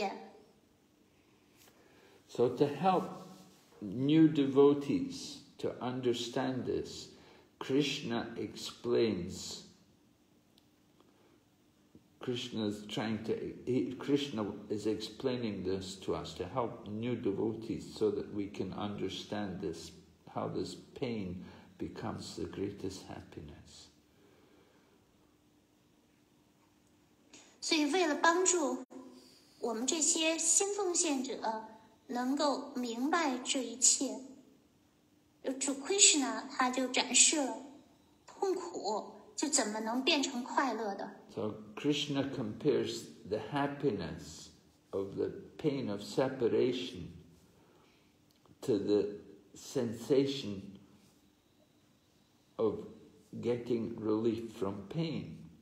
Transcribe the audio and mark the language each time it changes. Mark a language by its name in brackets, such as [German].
[Chinese] 纯粹奉献者他们体验的是一种强烈的快乐，所以就没有，不能说，他们没有理由有这种体验。 [English] So to help new devotees to understand this, Krishna explains. Krishna is explaining this to us to help new devotees so that we can understand this, how this pain becomes the greatest happiness. [Chinese] 所以为了帮助我们这些新奉献者能够明白这一切，主Krishna他就展示了痛苦就怎么能变成快乐的。 [English] So Krishna compares the happiness of the pain of separation to the sensation of getting relief from pain.